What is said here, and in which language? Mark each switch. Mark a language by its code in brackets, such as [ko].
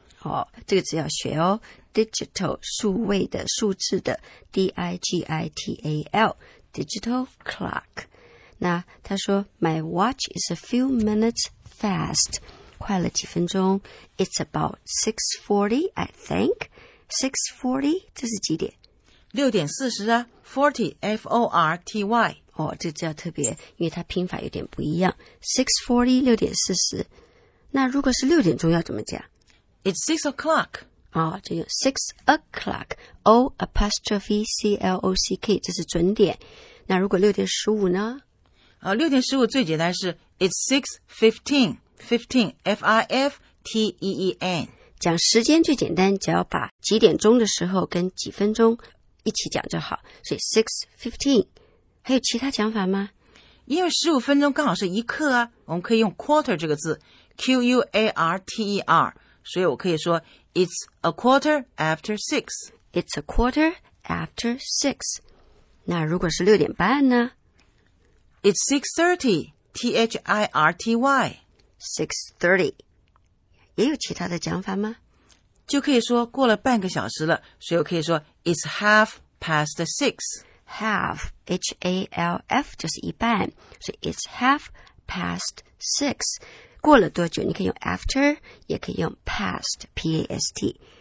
[zh] 哦，这个字要学哦。 digital 数位的数字的 digital。 [en] Digital clock. [zh] 那他说 [en] My watch is a few minutes fast. [zh] 快了几分钟。 [en] It's about 6:40, I think. [zh] 6:40, 这是几点？ 6:40啊。40, F-O-R-T-Y. 哦，这字要特别，因为它拼法有点不一样。 6:40, 6:40。那如果是6点钟要怎么讲？ [en] It's 6 o'clock. [zh] 哦，就用 [en] six o'clock, [zh] O apostrophe C L O C K, 这是准点。那如果6:15呢？ 6:15最简单是 [en] it's 6:15, [zh] F I F T E E N。讲时间最简单，只要把几点钟的时候跟几分钟一起讲就好。所以 6:15, 还有其他讲法吗？因为十五分钟刚好是一刻啊，我们可以用 quarter 这个字 ，Q U A R T E R。所以我可以说 [en] It's a quarter after six. It's a quarter after six. 那如果是6:30呢？ It's 6:30. T-H-I-R-T-Y. [zh] 6:30. 也有其他的讲法吗？就可以说过了半个小时了。所以我可以说 [en] It's half past six. [zh] Half, H-A-L-F, 就是一半。 [en] 所以 It's half past six. [zh] 过了多久？你可以用 after， 也可以用 past， P-A-S-T。